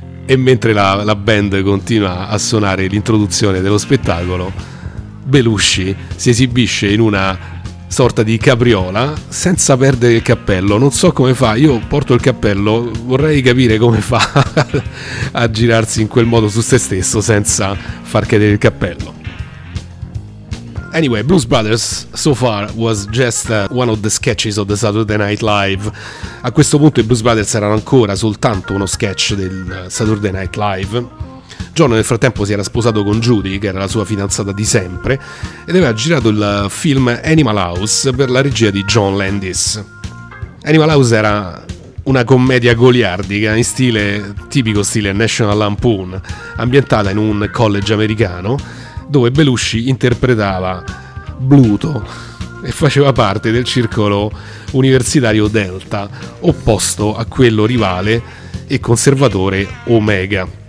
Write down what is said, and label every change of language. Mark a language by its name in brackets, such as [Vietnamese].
[Italian] E mentre la band continua a suonare l'introduzione dello spettacolo, Belushi si esibisce in una sorta di capriola senza perdere il cappello. Non so come fa, io porto il cappello, vorrei capire come fa a girarsi in quel modo su se stesso senza far cadere il cappello. [English] Anyway, Blues Brothers so far was just one of the sketches of the Saturday Night Live. [Italian] A questo punto i Blues Brothers erano ancora soltanto uno sketch del Saturday Night Live. John nel frattempo si era sposato con Judy, che era la sua fidanzata di sempre, ed aveva girato il film Animal House per la regia di John Landis. Animal House era una commedia goliardica in stile tipico stile National Lampoon, ambientata in un college americano dove Belushi interpretava Bluto e faceva parte del circolo universitario Delta, opposto a quello rivale e conservatore Omega.